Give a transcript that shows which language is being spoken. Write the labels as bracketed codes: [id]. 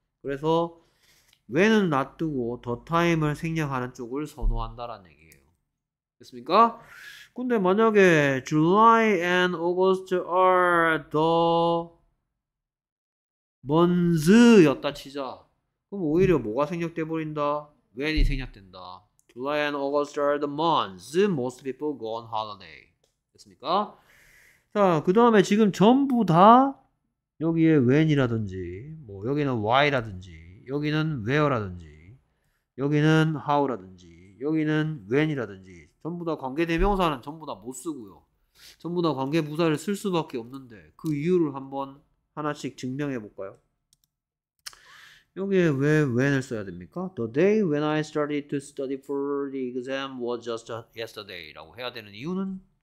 [ko] 그래서 왜는 놔두고 더 타임을 생략하는 쪽을 선호한다라는 얘기예요. 됐습니까? 근데 만약에 [en] July and August are the months [ko] 였다 치자. 그럼 오히려 뭐가 생략돼 버린다? When이 생략된다. [en] July and August are the months most people go on holiday. [ko] 됐습니까? 자, 그 다음에 지금 전부 다 여기에 when이라든지, 뭐 여기는 why라든지, 여기는 where라든지, 여기는 how라든지, 여기는 when이라든지. 전부 다 관계대명사는 전부 다못 쓰고요. 전부 다 관계부사를 쓸 수밖에 없는데 그 이유를 한번 하나씩 증명해 볼까요? 여기에 왜 when을 써야 됩니까? [en] The day when I started to study for the exam was just yesterday [ko] 라고 해야 되는 이유는?